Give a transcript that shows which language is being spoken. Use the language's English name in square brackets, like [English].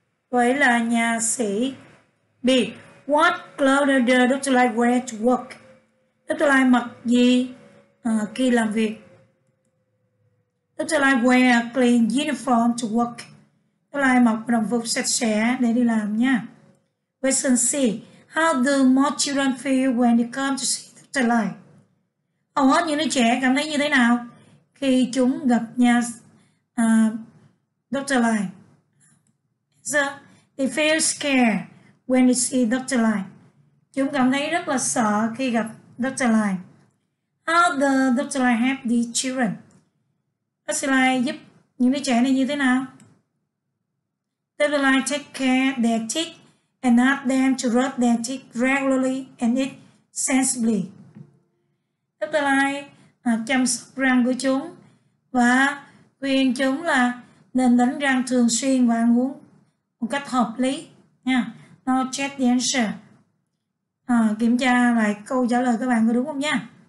[Vietnamese] Vậy là nhà sĩ. [English] B. What clothes does Dr. Lai wear to work? Dr. [Vietnamese] Lai mặc gì khi làm việc? Dr. [English] Lai wear a clean uniform to work. Dr. [Vietnamese] Lai mặc đồng phục sạch sẽ để đi làm nha. [English] Question C. How do most children feel when they come to see Dr. Lai? [Vietnamese] Hầu hết những đứa trẻ cảm thấy như thế nào khi chúng gặp nhà Dr. Lai? [English] So, they feel scared when they see Dr. Lai. [Vietnamese] Chúng cảm thấy rất là sợ khi gặp Dr. [English] Lai. How do Dr. Lai help the children? Dr. [Vietnamese] Lai giúp những đứa trẻ này như thế nào? [English] Dr. Lai take care their teeth and ask them to brush their teeth regularly and eat sensibly. Dr. [Vietnamese] Lai chăm sóc răng của chúng và khuyên chúng là nên đánh răng thường xuyên và ăn uống một cách hợp lý. [English] Now check the answer. [Vietnamese] Kiểm tra lại câu trả lời các bạn có đúng không nha.